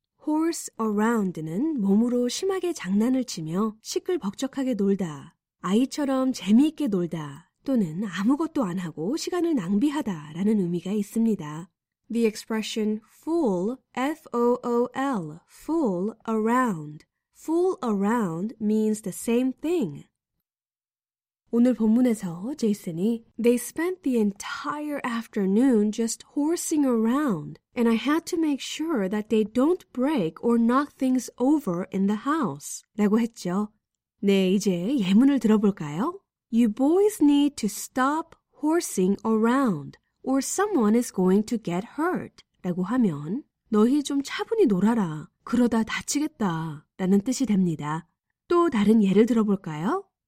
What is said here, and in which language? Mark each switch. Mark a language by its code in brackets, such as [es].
[ko] Horse around는 몸으로 심하게 장난을 치며 시끌벅적하게 놀다, 아이처럼 재미있게 놀다, 또는 아무것도 안 하고 시간을 낭비하다 라는 의미가 있습니다. [en] The expression fool, F-O-O-L, fool around. Fool around means the same thing. [ko] 오늘 본문에서 제이슨이 [en] They spent the entire afternoon just horsing around, and I had to make sure that they don't break or knock things over in the house. [ko] 라고 했죠. 네, 이제 예문을 들어볼까요? [en] You boys need to stop horsing around, or someone is going to get hurt. [ko] 라고 하면 너희 좀 차분히 놀아라, 그러다 다치겠다 라는 뜻이 됩니다. 또 다른 예를 들어볼까요?